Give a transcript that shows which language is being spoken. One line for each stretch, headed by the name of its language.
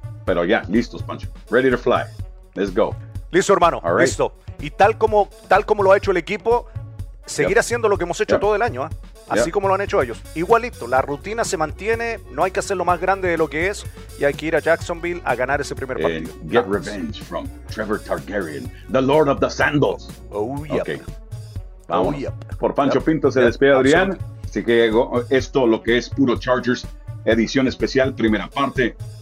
Spanish: Pero ya, listos,
English: Pancho. Ready to fly. Let's go.
Spanish: Listo, hermano.
English: All right.
Spanish: Listo. Y tal como lo ha hecho el equipo, seguir haciendo lo que hemos hecho todo el año. Así como lo han hecho ellos. Igualito. La rutina se mantiene. No hay que hacerlo más grande de lo que es. Y hay que ir a Jacksonville a ganar ese primer partido.
English: Get revenge from Trevor Targaryen, the Lord of the Sandals. Oh, yeah. Okay.
Spanish: Vámonos.
English: Oh, yeah.
Spanish: Por Pancho Pinto se despide Adrián. Así que esto lo que es puro Chargers, edición especial, primera parte.